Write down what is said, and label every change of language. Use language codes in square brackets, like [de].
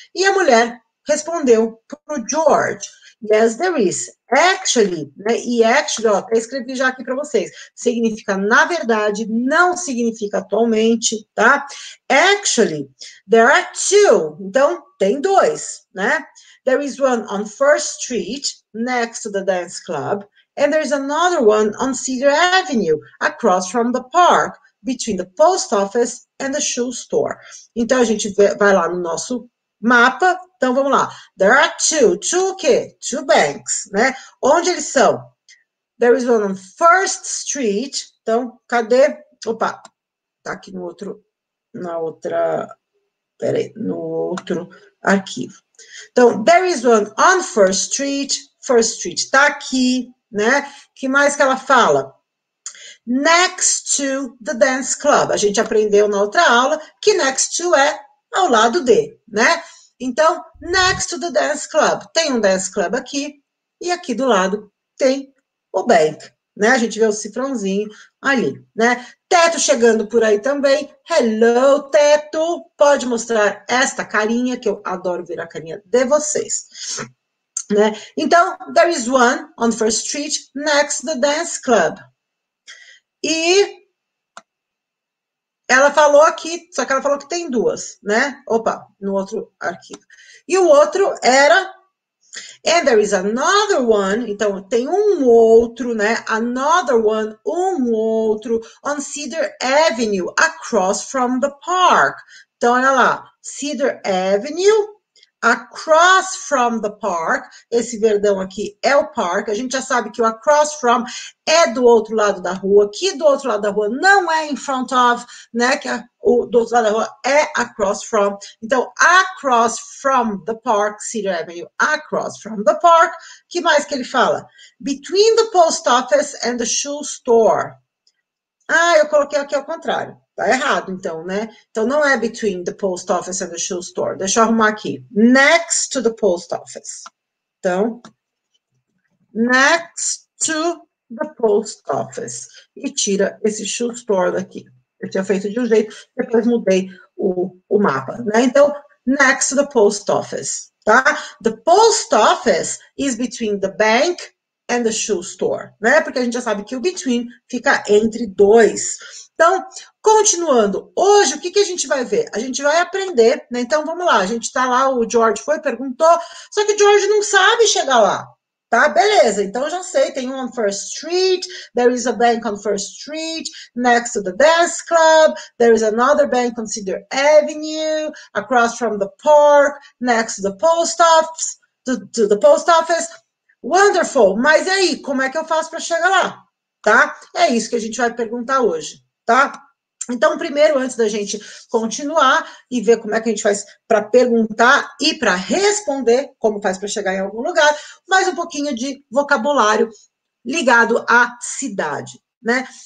[pt] E a mulher respondeu para o George. [en] Yes, there is. [pt] Actually, né? E actually, ó, até escrevi já aqui para vocês. Significa na verdade, não significa atualmente, tá? [en] Actually, there are two. [pt] Então, tem dois, né? [en] There is one on First Street, next to the dance club, and there is another one on Cedar Avenue, across from the park, between the post office and the shoe store. [pt] Então, a gente vai lá no nosso mapa. Então vamos lá. [en] There are two. [pt] Two o quê? Two banks, né? Onde eles são? [en] There is one on First Street. [pt] Então, cadê? Opa, tá aqui no outro, na outra. Pera aí, no outro arquivo. Então, [en] there is one on First Street. [pt] First Street tá aqui, né? Que mais que ela fala? [en] Next to the dance club. [pt] A gente aprendeu na outra aula que next to é ao lado de, né? [en] Então, next to the dance club. [pt] Tem um dance club aqui e aqui do lado tem o bank, né? A gente vê o cifrãozinho ali, né? Teto chegando por aí também. Hello, Teto. Pode mostrar esta carinha que eu adoro ver a carinha de vocês, né? [en] Então, there is one on First Street next to the dance club. [pt] E ela falou aqui, só que ela falou que tem duas, né? Opa, no outro arquivo. E o outro era. [en] And there is another one. [pt] Então, tem um outro, né? [en] Another one, [pt] um outro. [en] On Cedar Avenue, across from the park. [pt] Então, olha lá. [en] Cedar Avenue, across from the park. [pt] Esse verdão aqui é o parque. A gente já sabe que o across from é do outro lado da rua. Aqui do outro lado da rua não é in front of, né? Que é, o do outro lado da rua é across from. [en] Então, across from the park, Cedar Avenue, across from the park. [pt] Que mais que ele fala? [en] Between the post office and the shoe store. [pt] Ah, eu coloquei aqui ao contrário. Tá errado, então, né? Então não é [en] between the post office and the shoe store. [pt] Deixa eu arrumar aqui. [en] Next to the post office. Então, next to the post office. [pt] E tira esse shoe store daqui. Eu tinha feito de um jeito, depois mudei o mapa, né? [en] Então, next to the post office, tá? The post office is between the bank and the shoe store, né? [pt] Porque a gente já sabe que o between fica entre dois. Então, continuando, hoje o que que a gente vai ver? A gente vai aprender, né? Então vamos lá, a gente tá lá, o George foi, perguntou, só que o George não sabe chegar lá, tá? Beleza, então já sei, tem um [en] on First Street, there is a bank on First Street, next to the dance club, there is another bank on Cedar Avenue, across from the park, next to the post office, to the post office. [pt] Wonderful, mas e aí, como é que eu faço para chegar lá? Tá? É isso que a gente vai perguntar hoje. Tá? Então, primeiro, antes da gente continuar e ver como é que a gente faz para perguntar e para responder, como faz para chegar em algum lugar, mais um pouquinho de vocabulário ligado à cidade, né?